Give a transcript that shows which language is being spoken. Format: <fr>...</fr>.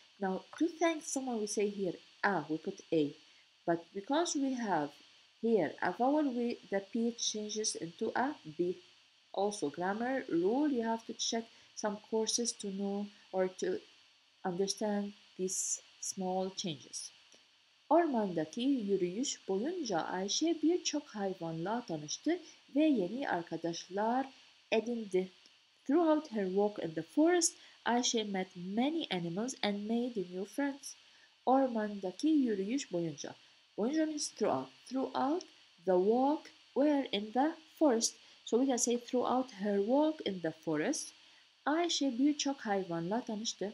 <en>Now, to thank someone, we say here, a, we put a. But because we have here a vowel, the ph changes into a b. Also, grammar rule, you have to check some courses to know or to understand these small changes.</en> <tr>Ormandaki yürüyüş boyunca Ayşe birçok hayvanla tanıştı ve yeni arkadaşlar edindi.</tr> <en>Throughout her walk in the forest, Ayşe met many animals and made new friends.</en> <tr>Ormandaki yürüyüş boyunca. Boyunca</tr> <en>means throughout. Throughout the walk, where in the forest. So we can say throughout her walk in the forest,</en> <tr>Ayşe birçok hayvanla tanıştı.</tr>